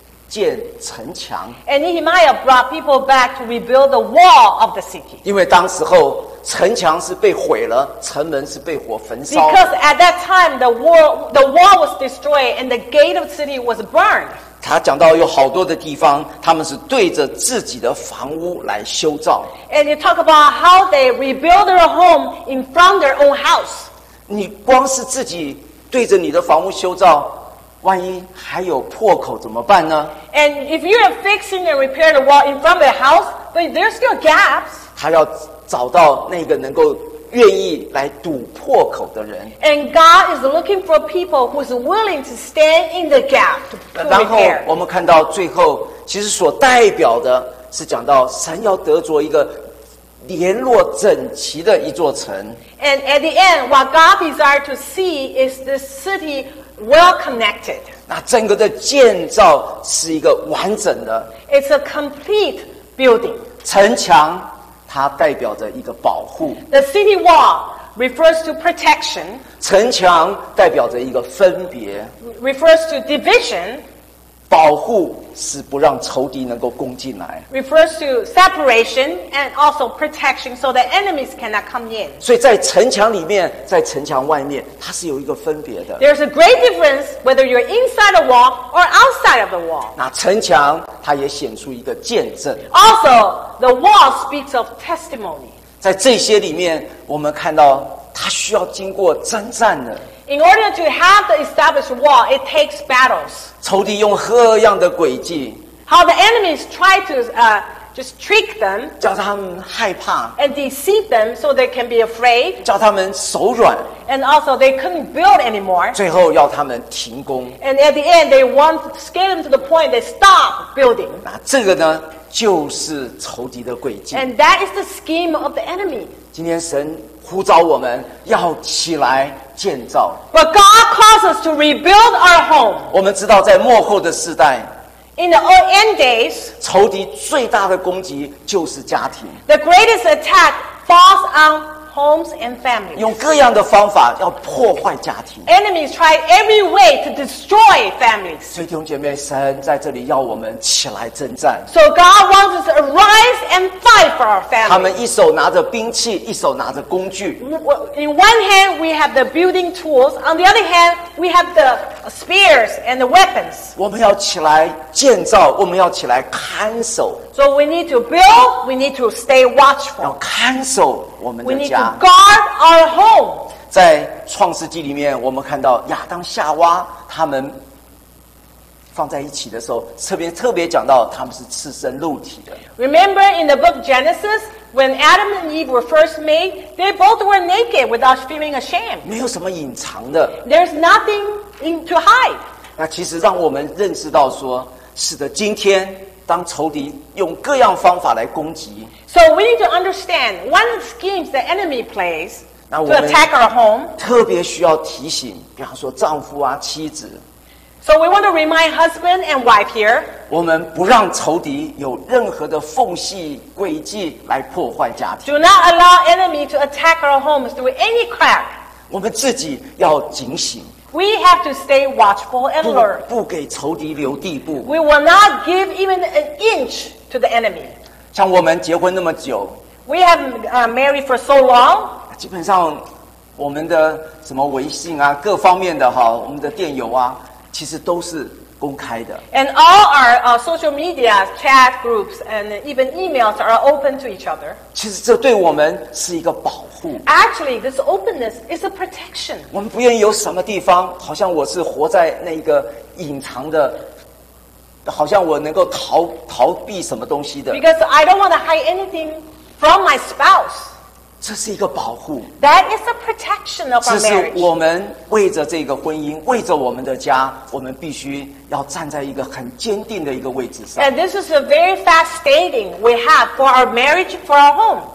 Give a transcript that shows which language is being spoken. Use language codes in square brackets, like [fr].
[zh] 建城墙。 [en] And Nehemiah brought people back to rebuild the wall of the city. [zh] 因为当时候城墙是被毁了，城门是被火焚烧。 [en] Because at that time the wall was destroyed and the gate of the city was burned. [zh] 他讲到有好多的地方，他们是对着自己的房屋来修造。 [en] And you talk about how they rebuild their home in front of their own house. [zh] 你光是自己对着你的房屋修造。万一还有破口怎么办呢 [en] ？And if you are fixing and repairing the wall in front of the house, but there's still gaps. [zh] 他要找到那个能够愿意来堵破口的人。 [en] And God is looking for people who's willing to stand in the gap to repair. [zh] 然后我们看到最后，其实所代表的是讲到神要得着一个联络整齐的一座城。 [en] And at the end, what God desires to see is the city. Well connected. [zh] 那整个的建造是一个完整的。 [en] It's a complete building. [zh] 城墙它代表着一个保护。 [en] The city wall refers to protection. [zh] 城墙代表着一个分别。 [en] Refers to division. [zh] 保护是不让仇敌能够攻进来。 [en] Refers to separation and also protection so that enemies cannot come in. [zh] 所以在城墙里面，在城墙外面，它是有一个分别的。 [en] There's a great difference whether you're inside the wall or outside of the wall. [zh] 那城墙它也显出一个见证。 [en] Also, the wall speaks of testimony. [zh] 在这些里面，我们看到它需要经过征战的。 [en] In order to have the established wall, it takes battles. [zh] 仇敌用何样的诡计？ [en] How the enemies try to just trick them. [zh] 叫他们害怕。 [en] And deceive them so they can be afraid. [zh] 叫他们手软。 [en] And also they couldn't build anymore. [zh] 最后要他们停工。 [en] And at the end, they want to scare them to the point they stop building. [zh] 那这个呢，就是仇敌的诡计。 [en] And that is the scheme of the enemy. [zh] 今天神呼召我们要起来建造。 [en] But God calls us to rebuild our home. [zh] 我们知道在末后的世代。 [en] In the old end days, [zh] 仇敌最大的攻击就是家庭。 [en] The greatest attack falls on homes and families. [zh] 用各样的方法要破坏家庭。 [en] Enemies try every way to destroy families. [zh] 所以弟兄姐妹，神在这里要我们起来征战。 [en] So God wants us to arise and fight for our families. [zh] 他们一手拿着兵器，一手拿着工具。 [en] In one hand, we have the building tools. On the other hand, we have the spears and the weapons. [zh] 我们要起来建造，我们要起来看守。 [en] So we need to build, we need to stay watchful. [zh] 要看守我们的家。 [en] We need to guard our home. [zh] 在创世纪里面，我们看到亚当夏娃他们放在一起的时候，特别讲到他们是赤身露体的。 [en] Remember in the book Genesis, when Adam and Eve were first made, they both were naked without feeling ashamed. [zh] 没有什么隐藏的。 [en] There's nothing to hide. [zh] 那其实让我们认识到说，是的，今天当仇敌用各样方法来攻击。 [en] So we need to understand one scheme the enemy plays to attack our home. [zh] 特别需要提醒，比方说丈夫啊，妻子。 [en] So we want to remind husband and wife here. [zh] 我们不让仇敌有任何的缝隙诡计来破坏家庭。 [en] Do not allow enemy to attack our homes through any crack. [zh] 我们自己要警醒。 [en] We have to stay watchful and alert. [zh] 不给仇敌留地步。 [en] We will not give even an inch to the enemy. [zh] 像我们结婚那么久。 [en] We have married for so long. [zh] 基本上我们的什么微信啊，各方面的哈，我们的电邮啊，其实都是公开的。 [en] And all our social media chat groups and even emails are open to each other. [zh] 其实这对我们是一个保护。 [en] Actually, this openness is a protection. [zh] 我们不愿意有什么地方，好像我是活在那个隐藏的，好像我能够逃避什么东西的。 [en] Because I don't want to hide anything from my spouse. [zh] 这是一个保护。 [en] That is a protection of our marriage. [zh] 这是我们为着这个婚姻，为着我们的家，我们必须要站在一个很坚定的一个位置上。 [en] And this is a very fast standing we have for our marriage, for our home.